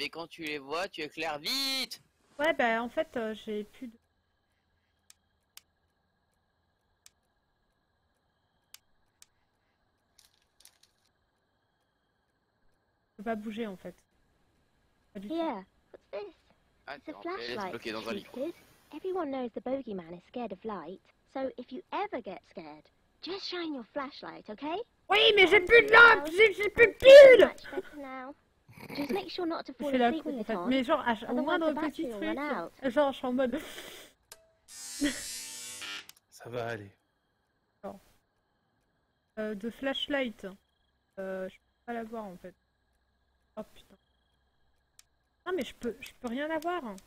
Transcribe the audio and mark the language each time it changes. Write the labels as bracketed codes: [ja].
[fr] Et quand tu les vois, tu éclaires vite. Ouais, bah en fait, j'ai plus de... Je peux pas bouger, en fait. Pas du tout. Yeah. C'est un flashlight. [en] Everyone knows the bogeyman is scared of light. So if you ever get scared, just shine your flashlight, okay? [fr] Oui, mais j'ai plus de lampe, j'ai plus de pile. [en] Just make sure not to fall asleep with it on. [fr] Mais genre au moins dans le petit truc. Genre je suis en mode. Ça va aller. Non. De flashlight. Je peux pas l'avoir en fait. Oh putain. Ah, mais je peux rien avoir.